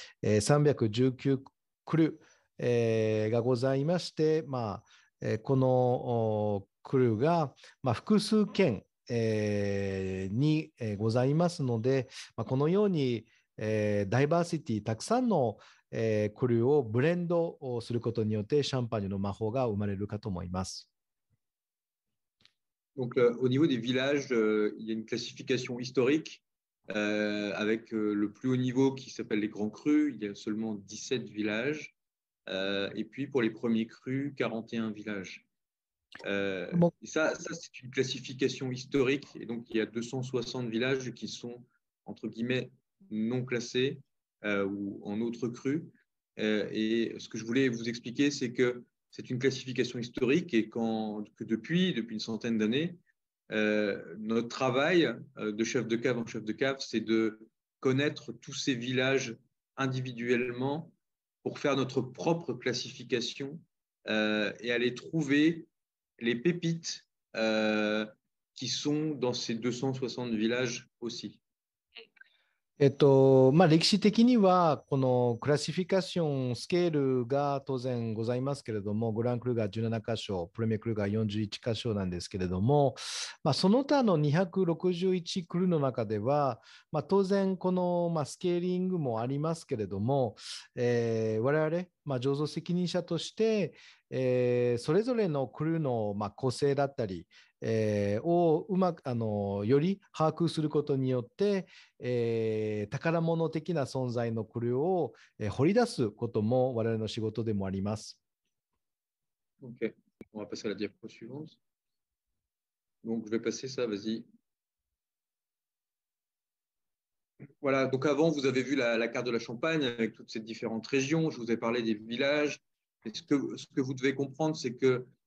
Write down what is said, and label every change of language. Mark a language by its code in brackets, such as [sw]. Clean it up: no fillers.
[ja] 319クル、がございまして、まあこのクルーが、まあ、複数件、に、ございますので、まあ、このように、ダイバーシティたくさんの、クルーをブレンドをすることによってシャンパーニュの魔法が生まれるかと思います。 [fr] Donc, au niveau des villages, il y a une classification historique, avec le plus haut niveau qui s'appelle les grands crus, il y a seulement 17 villages. Et puis pour les premiers crus, 41 villages. Bon. Et ça, ça, c'est une classification historique. Et donc, il y a 260 villages qui sont, entre guillemets, non classés ou en autres crus. Et ce que je voulais vous expliquer, c'est que c'est une classification historique et que depuis une centaine d'années, notre travail de chef de cave en chef de cave, c'est de connaître tous ces villages individuellement. Pour faire notre propre classification et aller trouver les pépites qui sont dans ces 260 villages aussi. [ja] まあ、歴史的にはこのクラシフィカションスケールが当然ございますけれども、グランクルーが17箇所、プレミアクルーが41箇所なんですけれども、まあ、その他の261クルーの中では、まあ、当然この、まあ、スケーリングもありますけれども、我々、まあ、醸造責任者として、それぞれのクルーの、まあ、個性だったりをうまくより把握することによって、宝物的な存在のクルーを、掘り出すことも我々の仕事でもあります。 OK。 [fr] On va passer à la diapo suivante. Donc, je vais passer ça, vas-y. Voilà, donc avant, vous avez vu la carte de la Champagne avec toutes ces différentes régions. Je vous ai parlé des villages. Ce que vous devez comprendre, c'est que.